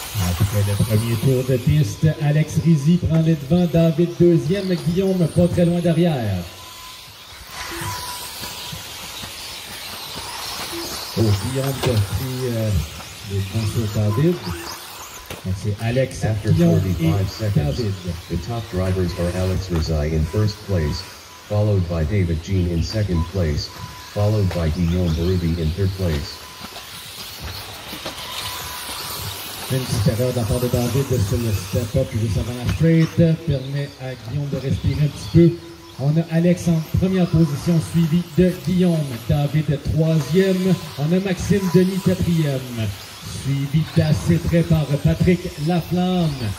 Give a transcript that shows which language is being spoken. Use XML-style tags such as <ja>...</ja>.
<fr>Après le premier tour de piste, Alex Rizzi prend les devants. David deuxième, Guillaume pas très loin derrière. Oh, Guillaume qui a pris les devants sur David. Alex,</fr> <en>after 45 seconds, the top drivers are Alex Rizzi in first place, followed by David Jean in second place, followed by Guillaume Berube in third place.</en> <fr>Une petite erreur de la part de David sur le step-up juste avant la straight, permet à Guillaume de respirer un petit peu. On a Alex en première position, suivi de Guillaume. David est troisième. On a Maxime Denis quatrième. Suivi d'assez près par Patrick Laflamme.</fr>